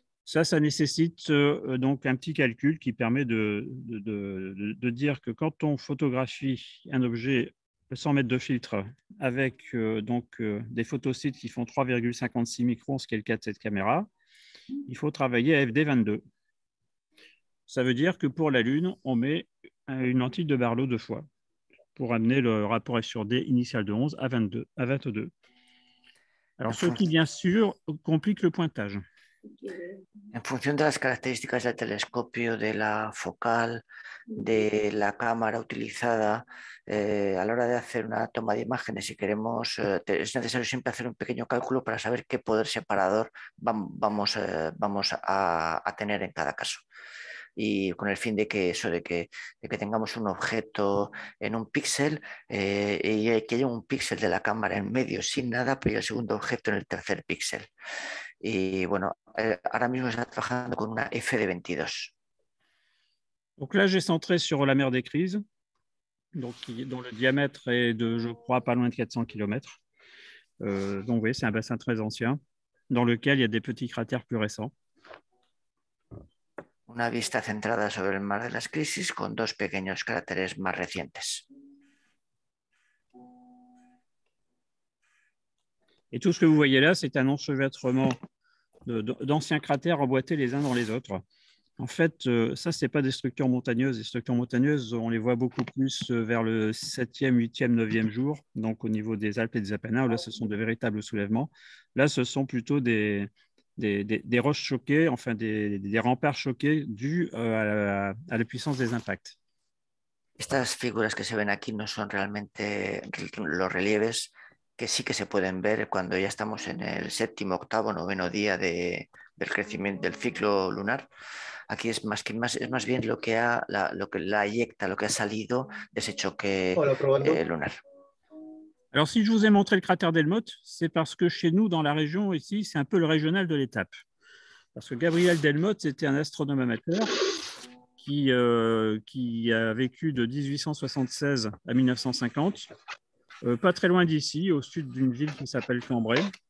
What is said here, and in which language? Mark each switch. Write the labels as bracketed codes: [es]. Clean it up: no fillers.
[fr] Ça nécessite donc un petit calcul qui permet de dire que quand on photographie un objet 100 mètres de filtre avec des photosites qui font 3,56 microns, ce qui est le cas de cette caméra, il faut travailler à FD22. Ça veut dire que pour la Lune, on met une lentille de Barlow deux fois pour amener le rapport F/D initial de 11 à 22. Alors, ce qui, bien sûr, complique le pointage. [es] En función de las características del telescopio, de la focal, de la cámara utilizada, a la hora de hacer una toma de imágenes, si queremos, es necesario siempre hacer un pequeño cálculo para saber qué poder separador vamos a tener en cada caso. Y con el fin de que eso, de que tengamos un objeto en un píxel y que haya un píxel de la cámara en medio sin nada, pero el segundo objeto en el tercer píxel. Y bueno, ahora mismo está trabajando con una FD22. [fr] Donc là, j'ai centré sur la mer des crises, dont le diamètre est de, je crois, pas loin de 400 km. Donc oui, c'est un bassin très ancien, dans lequel il y a des petits cratères plus récents. [es] Una vista centrada sobre el mar de las crisis con dos pequeños cráteres más recientes. Y todo lo que [fr] vous voyez là, c'est un enchevêtrement d'anciens cratères emboîtés les uns dans les autres. En fait, ça, ce n'est pas des structures montagneuses. Les structures montagneuses, on les voit beaucoup plus vers le 7e, 8e, 9e jour, donc au niveau des Alpes et des Apennins. Là, ce sont de véritables soulèvements. Là, ce sont plutôt des roches choquées, enfin des remparts choqués dus à la puissance des impacts. [es] Estas figuras que se ven aquí no son realmente los relieves que sí que se pueden ver cuando ya estamos en el séptimo, octavo, noveno día del crecimiento del ciclo lunar. Aquí es más que más, es más bien lo que ha la, lo que la eyecta, lo que ha salido de ese choque lunar. [fr] Alors, si je vous ai montré le cratère Delmotte, c'est parce que chez nous, dans la région ici, c'est un peu le régional de l'étape. Parce que Gabriel Delmotte, c'était un astronome amateur qui a vécu de 1876 à 1950, pas très loin d'ici, au sud d'une ville qui s'appelle Cambrai.